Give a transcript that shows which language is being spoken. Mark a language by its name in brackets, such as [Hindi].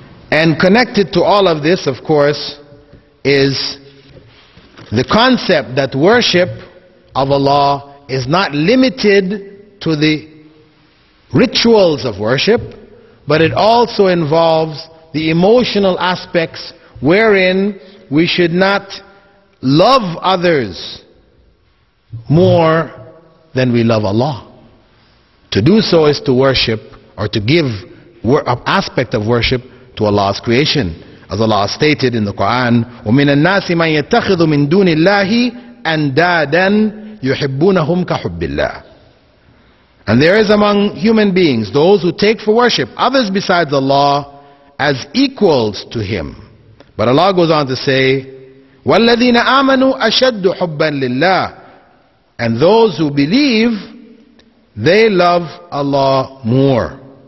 [English] And connected to all of this, of course, is the concept that worship of Allah is not limited to the rituals of worship, but it also involves the emotional aspects wherein we should not love others more than we love Allah. To do so is to worship, or to give aspect of worship to Allah's creation. As Allah stated in the Quran, [Arabic] وَمِنَ النَّاسِ مَنْ يَتَّخِذُ مِنْ دُونِ اللَّهِ أَنْدَادًا يُحِبُّونَهُمْ كَحُبِّ اللَّهِ. [English] And there is among human beings those who take for worship others besides Allah as equals to Him. But Allah goes on to say, [Arabic] وَالَّذِينَ آمَنُوا أَشَدُّ حُبًّا لِلَّهِ. [English] And those who believe, they love Allah more.